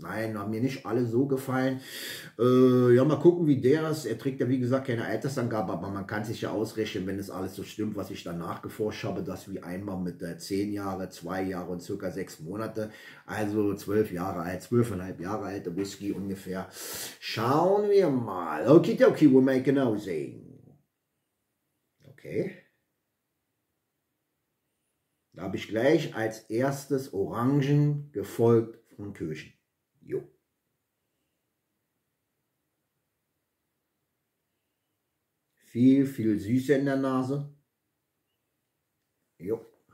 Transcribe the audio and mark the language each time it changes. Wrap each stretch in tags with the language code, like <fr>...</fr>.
<de>Nein, haben mir nicht alle so gefallen. Ja, mal gucken, wie der ist. Er trägt ja, wie gesagt, keine Altersangabe, aber man kann sich ja ausrechnen, wenn es alles so stimmt, was ich danach geforscht habe, dass wie einmal mit 10 Jahre, 2 Jahre und circa 6 Monate, also 12 Jahre alt, 12,5 Jahre alte Whisky ungefähr. Schauen wir mal.</de> <en>Okidoki, we'll make a nosing. Okay.</en> <de>Da habe ich gleich als erstes Orangen gefolgt von Kirschen. Jo. Viel, viel Süße in der Nase. Jo.</de>